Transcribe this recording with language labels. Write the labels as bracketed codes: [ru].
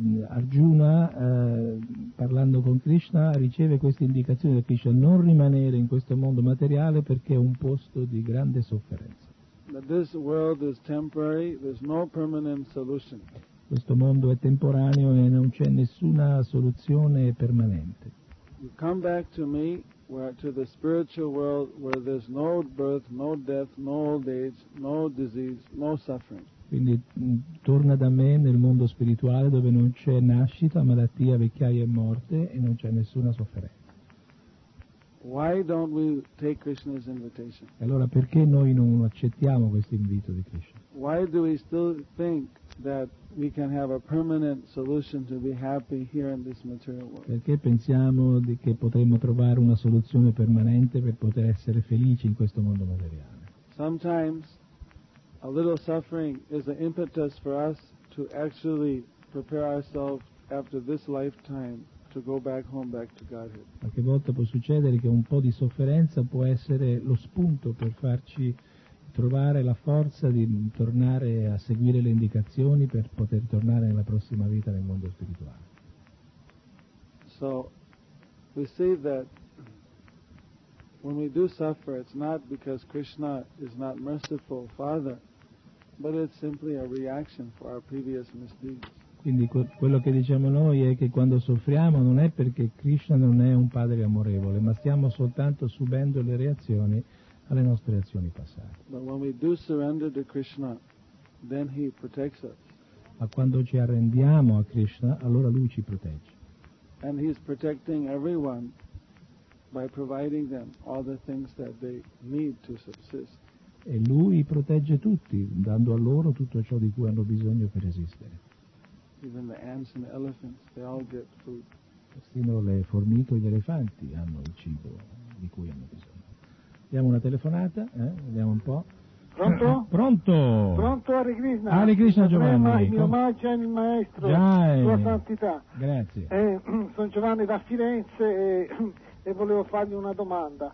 [it] Arjuna, parlando con Krishna, riceve questa indicazione da Krishna, non rimanere in questo mondo materiale perché è un posto di grande sofferenza. [en] That this world is temporary, there's no permanent solution. [it] Questo mondo è temporaneo e non c'è nessuna soluzione permanente. [en] You come back to me, where to the spiritual world, where there's no birth, no death, no old age, no disease, no suffering. [it] Quindi torna da me nel mondo spirituale dove non c'è nascita, malattia, vecchiaia e morte e non c'è nessuna sofferenza. [en] Why don't we take Krishna's invitation? [it] Allora perché noi non accettiamo questo invito di Krishna? [en] Why do we still think that we can have a permanent solution to be happy here in this material world? [it] Perché pensiamo che potremmo trovare una soluzione permanente per poter essere felici in questo mondo materiale? [en] Sometimes a little suffering is an impetus for us to actually prepare ourselves after this lifetime to go back home, back to Godhead. [it] Qualche volta può succedere che un po' di sofferenza può essere lo spunto per farci trovare la forza di tornare a seguire le indicazioni per poter tornare nella prossima vita nel mondo spirituale. [en] So we see that when we do suffer, it's not because Krishna is not merciful Father, but it's simply a reaction for our previous misdeeds. [it] Quindi quello che diciamo noi è che quando soffriamo non è perché Krishna non è un padre amorevole, ma stiamo soltanto subendo le reazioni alle nostre azioni passate. [en] But when we do surrender to Krishna, then he protects us. [it] Ma quando ci arrendiamo a Krishna, allora lui ci protegge. [en] And he is protecting everyone by providing them all the things that they need to subsist. [it] E lui protegge tutti, dando a loro tutto ciò di cui hanno bisogno per esistere. [en] Even the ants and the elephants, they all get food. [it] Persino le formiche e gli elefanti hanno il cibo di cui hanno bisogno. Diamo una telefonata, vediamo un po'. Pronto? Pronto! Pronto, Hare Krishna. Hare Krishna, Giovanni. Il mio omaggio è il maestro, Jai. Sua santità. Grazie. Sono Giovanni da Firenze e volevo fargli una domanda.